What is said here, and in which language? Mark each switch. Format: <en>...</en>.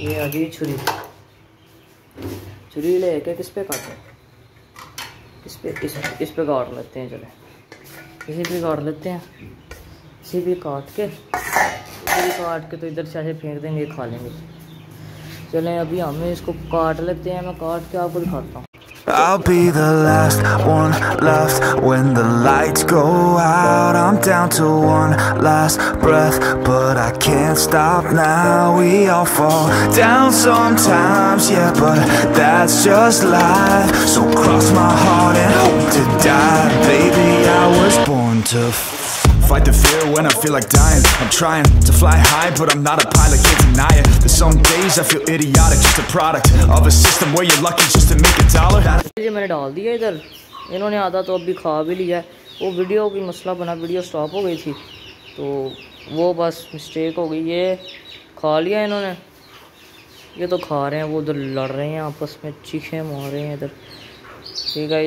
<hi>ये आ गई छुरी, छुरी ले के किस पे काटें, किस पे काट लेते हैं, चले इसी पे काट लेते हैं, इसी पे काट के, इसी काट के तो इधर से ऐसे फेंक देंगे, खा लेंगे। चले अभी हमें इसको काट लेते हैं, मैं काट के आपको दिखाता हूँ।</hi> <en>I'll be the last one left when the lights go out. I'm down to one last breath, but I can't stop now. We all fall down sometimes, yeah, but that's just life. So cross my heart and hope to die. Baby, I was born to fight the fear when I feel like dying. I'm trying to fly high, but I'm not a pilot, can't deny it. There's some days I feel idiotic, just a product of a system where you're lucky just to make a dollar.</en> <hi>ये मैंने डाल दिया इधर, इन्होंने आधा तो अभी खा भी लिया। वो वीडियो की मसला बना, वीडियो स्टॉप हो गई थी, तो वो बस मिस्टेक हो गई। ये खा लिया इन्होंने, ये तो खा रहे हैं, वो उधर लड़ रहे हैं आपस में, चीखे मार रहे हैं इधर, ठीक है।</hi>